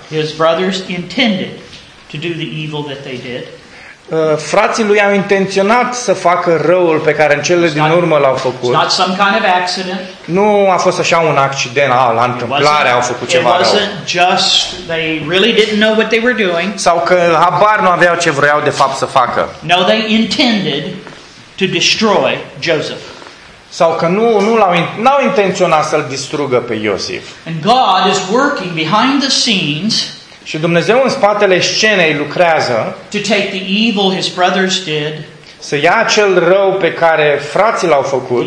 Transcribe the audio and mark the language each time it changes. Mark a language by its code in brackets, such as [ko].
[en] His brothers intended to do the evil that they did. [ro] Frații lui au intenționat să facă răul pe care în cele din urmă l-au făcut. [en] It's not some kind of accident. [ro] Nu a fost așa un accident, la întâmplare au făcut ceva rău. [en] It wasn't just they really didn't know what they were doing. [ro] Sau că habar nu aveau ce vroiau de fapt să facă. [en] No, they intended to destroy Joseph. [ro] Sau că n-au intenționat să-l distrugă pe Iosif. [en] And God is working behind the scenes. [ro] Și Dumnezeu în spatele scenei lucrează [en] to take the evil his brothers did, [ro] să ia acel rău pe care frații l-au făcut,